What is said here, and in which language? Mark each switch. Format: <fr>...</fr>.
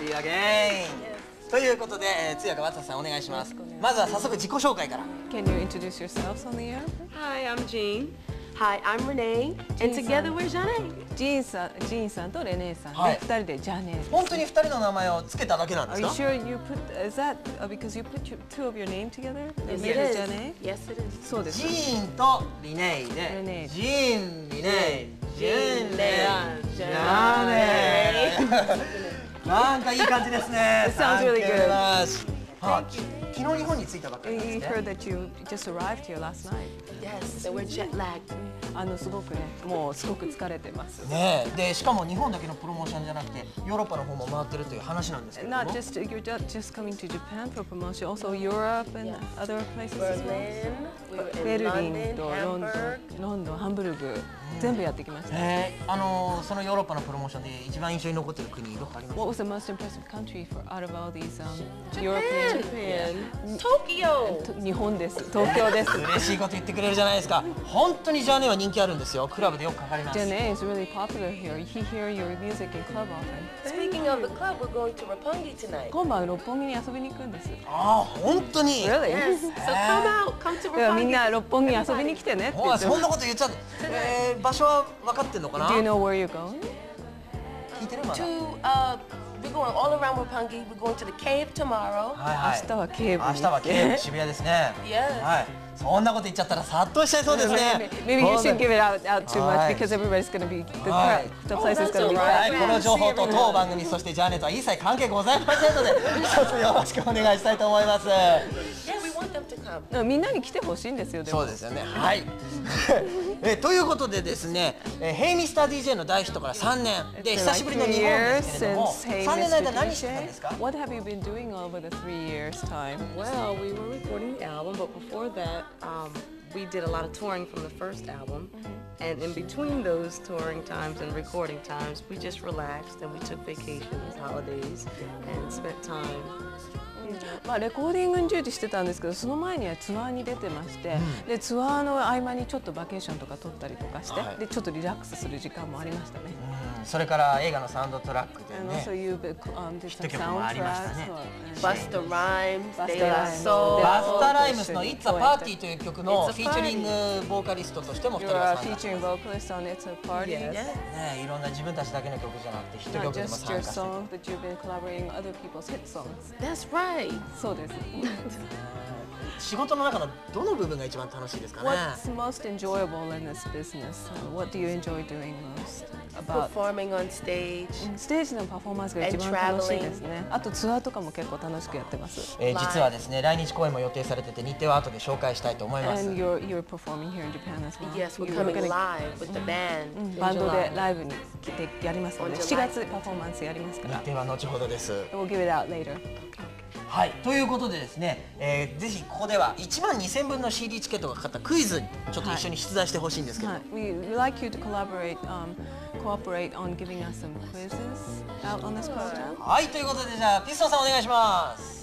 <en>See you again.</en> <ja>ということで、通訳渡さんお願いします。まずは早速自己紹介から。</ja> <en>Can you introduce yourselves on the air? Hi, I'm Jean. Hi, I'm Renee. And together we're Janae.</en> <ja>Jean さんとレネーさんで、はい、二人でジャネーです。本当に二人の名前をつけただけなんですか？</ja> <en>Are you sure you put, is that because you put two of your name together? Yes, it is. Yes, it is.</en> <ja>そうです。ジーンとリネーで、ジーン、リネー。ジャネーなんかいい感じですね。</ja> <en>Sounds really good.</en> <ja>昨日日本に着いたばかりですね。</ja> <en>You heard that you just arrived here last night. Yes, so we're jet lagged.</en> <ja>すごくね、もうすごく疲れてます。ねえ、でしかも日本だけのプロモーションじゃなくて、ヨーロッパの方も回ってるという話なんですけども。</ja> <en>Not just you're just coming to Japan for promotion, also Europe and other places as well.</en> <ja>ベルリンとロンドン、ロンドン、ハンブルグ。全部やってきました。そのヨーロッパのプロモーションで一番印象に残っている国どこありますか？</ja> <en>What was the most impressive country for out of all these Japan. Tokyo.</en> <ja>日本です。東京です。嬉しいこと言ってくれるじゃないですか。本当にジャネは人気あるんですよ。クラブでよくかかります。</ja> <en>ジャネ is really popular here. He hears your music in club often. Speaking of the club, we're going to Roppongi tonight.</en> <ja>今晩六本木に遊びに行くんです。ああ本当に。</ja> <en>Really? Yes. So come out, come to Roppongi.</en> <ja>みんな六本木遊びに来てねって言って。そんなこと言っちゃって。場所は分かってんのかな？</ja> <en>Do you know where you're going?</en> <ja>聞いてるまだ。</ja> <en>We're going all around Roppongi. We're going to the cave tomorrow.</en> <ja>はい、はい、明日はケーブ。明日はケーブ。渋谷ですね。</ja> <en>Yes.</en> <ja>はい。そんなこと言っちゃったら殺到しちゃいそうですね。</ja> <en>Maybe you shouldn't give it out too much because everybody's gonna be the place is gonna be right.</en> <ja>この情報と当番組そしてジャネットは一切関係ございませんので、一つよろしくお願いしたいと思います。みんなに来てほしいんですよ。でもそうですよね、はい。ということでですね、ヘイミスター DJ の大ヒットから3年で久しぶりの日本ですけれども、3年の間何してたんですか？</ja> <en>What have you been doing over the 3 years time? Well, we were recording the album, but before that, we did a lot of touring from the first album. And in between those touring times and recording times, we just relaxed and we took vacations, holidays, and spent time.</en> <ja>まあ、レコーディングに従事してたんですけど、その前にはツアーに出てまして、うん、でツアーの合間にちょっとバケーションとか撮ったりとかして、はい、でちょっとリラックスする時間もありましたね。うん、それから映画のサウンドトラックでね、そういうヒット曲もありましたね。バスタ・ライムズ、バスタ・ライムズの It's a Party という曲のフィーチャリングボーカリストとしても2人は参加しました。フィーチャリングボーカリストの It's a Party。 いろんな自分たちだけの曲じゃなくてヒット曲でも参加してた。</ja> <en>Not just your song, but you've been collaborating other people's hit songs. That's right.</en> <ja>そうです。仕事の中のどの部分が一番楽しいですかね。</ja> <en>What's most enjoyable in this business? What do you enjoy doing most? About performing on stage.</en> <ja>ステージのパフォーマンスが一番楽しいですね。あとツアーとかも結構楽しくやってます。実はですね、来日公演も予定されてて、日程は後で紹介したいと思います。</ja> <en>And you're performing here in Japan as well. Yes, we're coming live with the band.</en> <ja>バンドでライブに来てやりますので、7月パフォーマンスやりますから。日程は後ほどです。</ja> <en>We'll give it out later.</en> <ja>はい、ということでですね、ぜひここでは1万2000分の CD チケットがかかったクイズにちょっと一緒に出題してほしいんですけど、はい、</ja> <en>We'd like you to collaborate, cooperate on giving us some quizzes out on this program.</en> <ja>はい、ということでじゃあピストンさんお願いします。</ja>